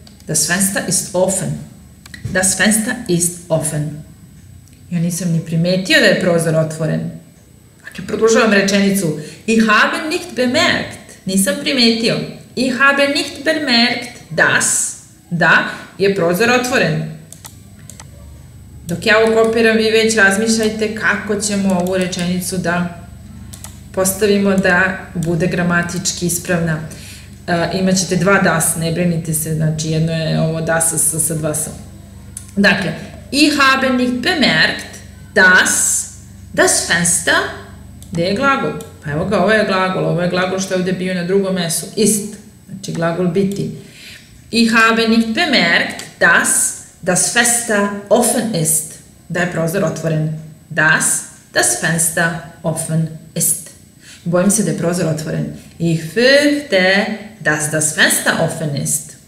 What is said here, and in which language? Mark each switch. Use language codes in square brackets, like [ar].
[de] Das Fenster ist offen. Das Fenster ist offen. [sr] Ja nisam ni primetio da je prozor otvoren. Dakle, produžavam rečenicu. [de] Ich habe nicht bemerkt. [sr] Nisam primetio. [de] Ich habe nicht bemerkt, dass, [sr] da je prozor otvoren. Dok ja ovo kopiram, vi već razmišljajte kako ćemo ovu rečenicu da postavimo da bude gramatički ispravna. Imaćete dva das, ne brinite se, znači jedno je ovo das sa dva sa. Dakle, [de] ich habe nicht bemerkt, dass das Fenster, [sr] gdje je glagol? Pa evo ga, ovo je glagol, ovo je glagol što je ovdje bio na drugom mjestu, ist, znači glagol biti. [de] Ich habe nicht bemerkt, dass das Fenster offen ist, [sr] da je prozor otvoren. [de] Das Fenster offen ist. [sr] Bojim se da je prozor otvoren. [de] Ich fürchte, dass das Fenster offen ist.